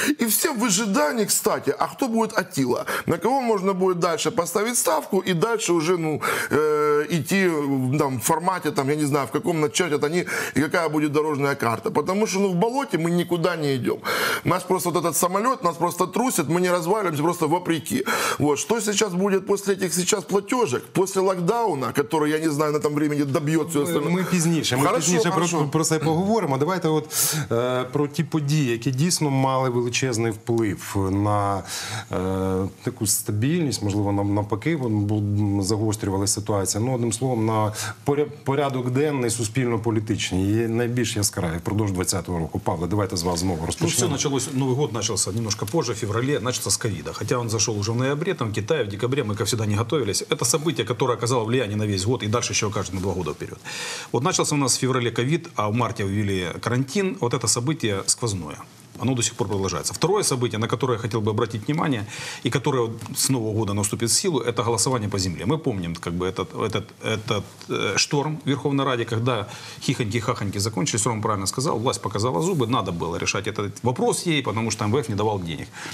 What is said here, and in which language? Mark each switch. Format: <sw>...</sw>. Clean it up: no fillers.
<ru>И все в ожидании, кстати, а кто будет Аттила? На кого можно будет дальше поставить ставку и дальше уже, идти там, в формате, там, я не знаю, в каком начать они и какая будет дорожная карта. Потому что в болоте мы никуда не идем. Нас просто вот этот самолет, нас просто трусит, мы не разваливаемся просто вопреки. Вот. Что сейчас будет после этих сейчас платежек, после локдауна, который, я не знаю, на этом времени добьется?</ru> <uk>Мы пізніше про це поговоримо. Давайте от про ті події, які дійсно мали величезний вплив на таку стабільність, можливо, навпаки, загострювали ситуацію. Ну, одним словом, на порядок денний суспільно-політичний є найбільш яскравий впродовж 20-го року. Павле, давайте з вас знову розпочнемо. Ну, все почалось, Новий год почався</uk> <ru>немножко позже, в феврале,</ru> <uk>почався з ковіда. Хоча він зайшов уже в ноябрі, там, в Китаї, в декабрі, ми, як завжди, не готувалися. Це событие, яке оказало влияние на весь год і далі ще окаже на 2 роки вперед.</uk> <ru>Вот начался у нас в феврале ковид, а в марте ввели карантин. Вот это событие сквозное. оно до сих пор продолжается. Второе событие, на которое я хотел бы обратить внимание, и которое с Нового года наступит в силу, это голосование по земле. Мы помним, как бы, этот шторм в Верховной Раде, когда хихоньки-хахоньки закончились, Ром правильно сказал, власть показала зубы, надо было решать этот вопрос ей, потому что МВФ не давал денег.</ru>